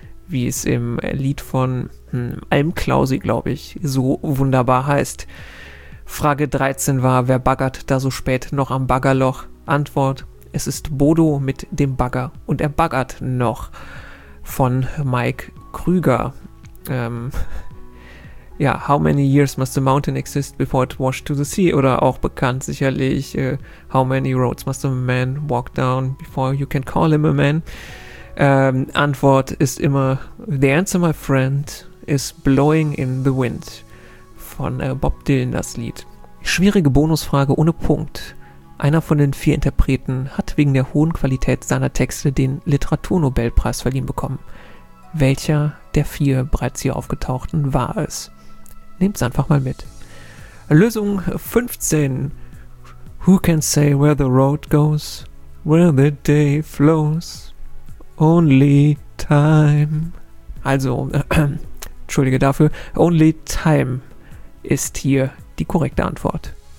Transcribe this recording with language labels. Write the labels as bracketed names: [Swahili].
[German] Wie es im Lied von Almklausi, glaube ich, so wunderbar heißt. Frage 13 war, wer baggert da so spät noch am Baggerloch? Antwort, es ist Bodo mit dem Bagger und er baggert noch. Von Mike Krüger. [English] Ja, how many years must a mountain exist before it washed to the sea? [German] Oder auch bekannt sicherlich, [English] how many roads must a man walk down before you can call him a man? [German] Antwort ist immer, [English] the answer, my friend, is blowing in the wind. [German] Von Bob Dylan das Lied. Schwierige Bonusfrage ohne Punkt. Einer von den vier Interpreten hat wegen der hohen Qualität seiner Texte den Literaturnobelpreis verliehen bekommen. Welcher der vier bereits hier aufgetauchten war es? Nehmt's einfach mal mit. Lösung 15. [English] Who can say where the road goes, where the day flows, only time. [German] Also, entschuldige dafür, only time ist hier die korrekte Antwort.